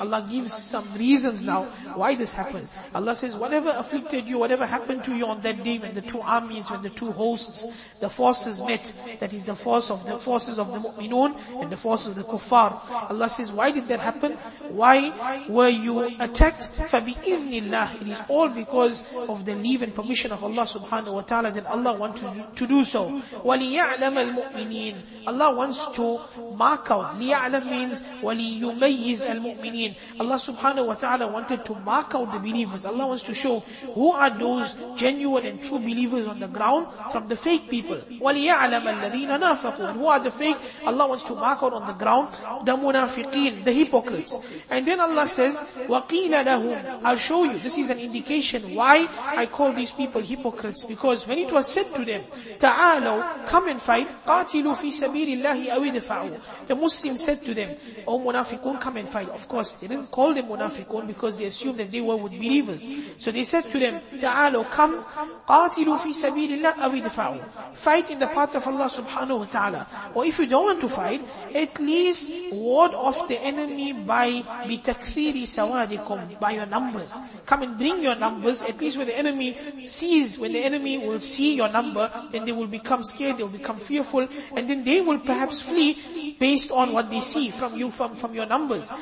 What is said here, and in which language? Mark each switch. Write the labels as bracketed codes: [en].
[en] Allah gives some reasons now why this happened. Allah says, whatever afflicted you, whatever happened to you on that day when the two armies, when the two hosts, the forces met, that is the forces of the mu'minun and the forces of the kuffar. Allah says, why did that happen? Why were you attacked? [ar] فَبِإِذْنِ اللَّهِ. [en] It is all because of the leave and permission of Allah subhanahu wa ta'ala that Allah wants to do so. [ar] وَلِيَعْلَمَ الْمُؤْمِنِينَ. [en] Allah wants to mark out. [ar] لِيَعْلَم [en] means [ar] وَلِيُمَيِّزَ الْمُؤْمِنِينَ. [en] Allah subhanahu wa ta'ala wanted to mark out the believers. Allah wants to show who are those genuine and true believers on the ground from the fake people. [ar] وَلِيَعْلَمَ الَّذِينَ نَافَقُوا. [en] And who are the fake? Allah wants to mark out on the ground the munafiqeen, the hypocrites. And then Allah says, [ar] وَقِيلَ لَهُمْ. [en] I'll show you. This is an indication why I call these people hypocrites. Because when it was said to them, [ar] تَعَالَوْ, [en] come and fight, [ar] قَاتِلُوا فِي سَبِيلِ اللَّهِ أَوِ دَفَعُوا. [en] The Muslims said to them, O munafiqun, come and fight. Of course, they didn't call them munafiqun because they assumed that they were with believers. So they said to them, [ar] تَعَالَوْ, [en] come, [ar] قَاتِلُوا فِي سَبِيلِ اللَّهِ أَوِ دَفَعُوا. [en] Fight in the path of Allah subhanahu wa ta'ala. Or if you don't want to fight, at least ward off the enemy by [ar] بِتَكْثِيرِ سَوَادِكُمْ, [en] by your numbers. Come and bring your numbers, at least when the enemy sees, when the enemy will see your number, then they will become scared, they will become fearful, and then they will perhaps flee based on what they see from you, from your numbers.